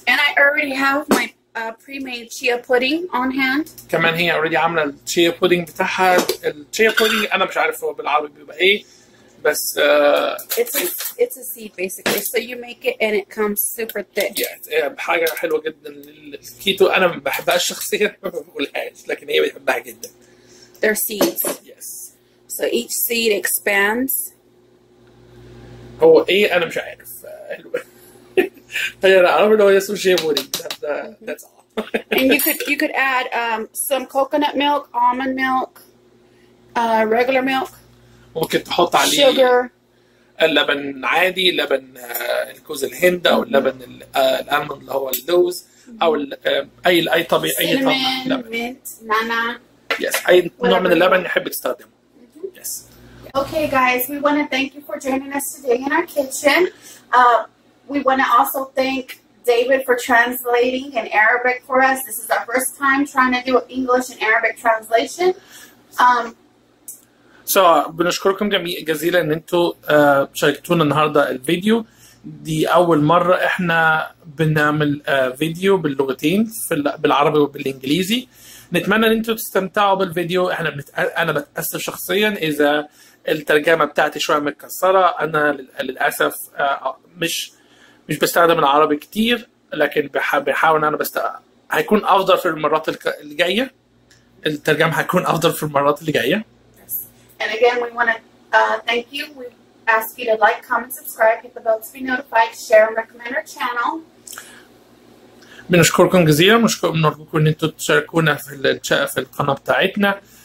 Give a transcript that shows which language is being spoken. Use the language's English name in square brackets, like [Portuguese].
[English] And I already have my pre-made chia pudding on hand. [Arabic] كمان هي [English] already [Arabic] عامله الشيا بودينج بتاعها. الشيا بودينج انا مش عارف هو بالعربي بيبقى ايه بس [English] it's a seed basically, so you make it and it comes super thick. Yeah, [Arabic] حاجة حلوة جدا للكيتو. أنا ما بحبهاش شخصيا ما بقولهاش لكن هي بتحبها جدا. [English] They're seeds. Yes. So each seed expands. [Arabic] هو إيه أنا مش عارف حلوة. هي أنا عارف إن هو يسوي شيء بوري. [English] That's all. And you could add some coconut milk, almond milk, regular milk. [Arabic] ممكن تحط عليه [English] sugar. [Arabic] اللبن عادي لبن الكوز الهند او اللبن الالموند اللي هو اللوز او اي طبيعي اي طعم لبن نانا [English] yes. [Arabic] اي نوع من اللبن يحب تستخدمه يس. [English] mm-hmm. yes. Okay guys, we want to thank you for joining us today in our kitchen. We want to also thank David for translating in Arabic for us. This is our first time trying to do English and Arabic translation. So, [Arabic] بنشكركم جزيلا ان انتوا شاركتونا النهارده الفيديو. دي اول مره احنا بنعمل فيديو باللغتين بالعربي وبالانجليزي. نتمنى ان انتوا تستمتعوا بالفيديو. انا بتاسف شخصيا اذا الترجمه بتاعتي شويه متكسره. انا للاسف مش بستخدم العربي كتير لكن بحاول ان انا هيكون افضل في المرات الجايه. الترجمه هيكون افضل في المرات الجايه. [English] And again, we want to thank you. We ask you to like, comment, subscribe, hit the bell to be notified, share, and recommend our channel. [Arabic] بنشكركم جزيلا. بنرجوكم ان انتم تشاركونا في القناه بتاعتنا.